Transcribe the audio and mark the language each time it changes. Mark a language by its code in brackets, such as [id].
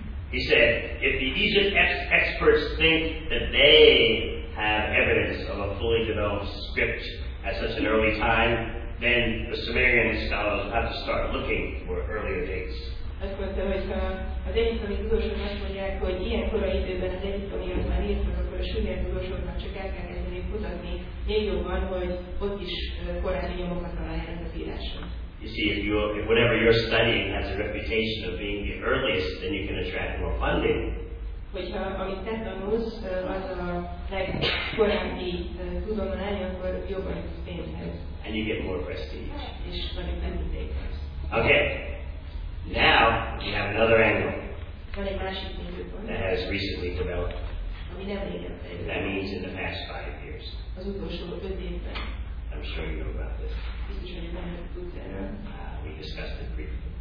[en] He said, if the Egypt experts think that they have evidence of a fully developed script at such an early time, then the Sumerian scholars have to start looking for earlier dates. [hu] Azt mondta, hogy ha az egyiptomi tudósok azt mondják, hogy ilyen korai időben az egyiptomiak már írtak, akkor a sumer tudósoknak csak el kell kezdeni kutatni még jobban, hogy ott is korábbi nyomokat találják az írásban. [en] You see, if whatever you're studying has a reputation of being the earliest, then you can attract more funding. [hu] Hogyha amit te tanulsz, az a legkorábbi tudomány, akkor jobban jutsz pénzhez. [en] And you get more prestige. [hu] És van egy pénzhez. [en] Okay. Now, we have another angle that has recently developed. That means in the past 5 years. I'm sure you know about this. We discussed it briefly.